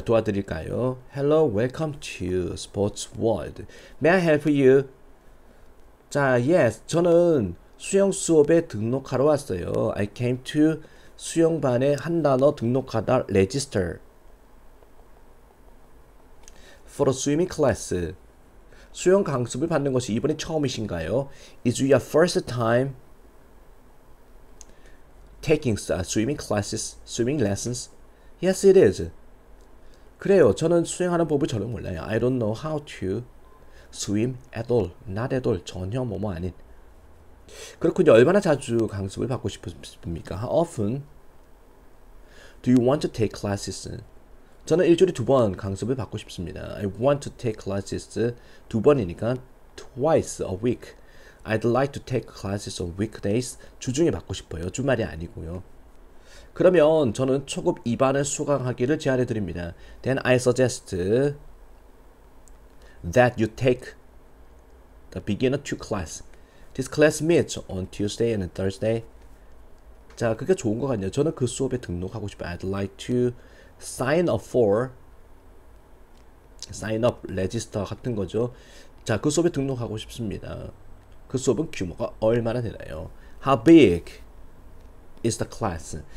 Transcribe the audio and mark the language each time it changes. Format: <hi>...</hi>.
<ko>도와드릴까요?</ko> <en>Hello, welcome to Sports World. May I help you? 자, yes.</en> <ko>저는 수영 수업에 등록하러 왔어요.</ko> <en>I came to</en> <ko>수영반에 한 단어 등록하다</ko> <en>register for a swimming class.</en> <ko>수영 강습을 받는 것이 이번이 처음이신가요?</ko> <en>Is your first time taking swimming classes, swimming lessons? Yes, it is.</en> <ko>그래요. 저는 수영하는 법을 전혀 몰라요.</ko> <en>I don't know how to swim at all. Not at all.</en> <ko>전혀 뭐뭐 아닌. 그렇군요. 얼마나 자주 강습을 받고 싶습니까?</ko> <en>How often do you want to take classes?</en> <ko>저는 일주일에 두번 강습을 받고 싶습니다.</ko> <en>I want to take classes 두 번이니까 twice a week. I'd like to take classes on weekdays.</en> <ko>주중에 받고 싶어요. 주말이 아니고요. 그러면 저는 초급 2반을 수강하기를 제안해 드립니다.</ko> <en>Then I suggest that you take the beginner two class. This class meets on Tuesday and Thursday.</en> <ko>자, 그게 좋은 것 같네요. 저는 그 수업에 등록하고 싶어요.</ko> <en>I'd like to sign up for, sign up, register 같은 거죠.</en> <ko>자, 그 수업에 등록하고 싶습니다. 그 수업은 규모가 얼마나 되나요?</ko> <en>How big is the class?</en>